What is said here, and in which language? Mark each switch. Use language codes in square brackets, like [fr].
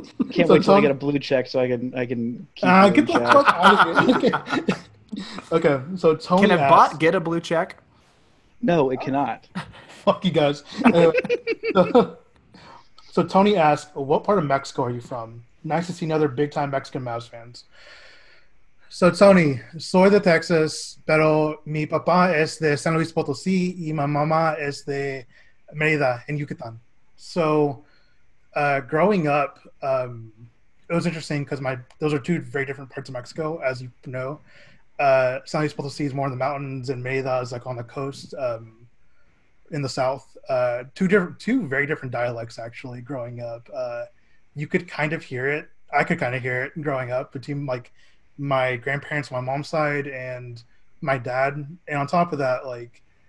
[en] Can't wait till I get a blue check so I can keep Get the fuck out of here. Okay, so Tony, can a bot get a blue check? No, it cannot. Fuck you guys. Anyway, so Tony asked, what part of Mexico are you from? Nice to see another big time Mexican Mavs fans. [es] So Tony, soy de Texas, pero mi papá es de San Luis Potosí y mi mamá es de Mérida en Yucatán. [en] So growing up, it was interesting because those are two very different parts of Mexico, as you know. San Luis Potosí is more in the mountains, and Mérida is like on the coast, in the south. Two very different dialects, actually, growing up. I could kind of hear it growing up between like my grandparents, my mom's side, and my dad. And on top of that, like,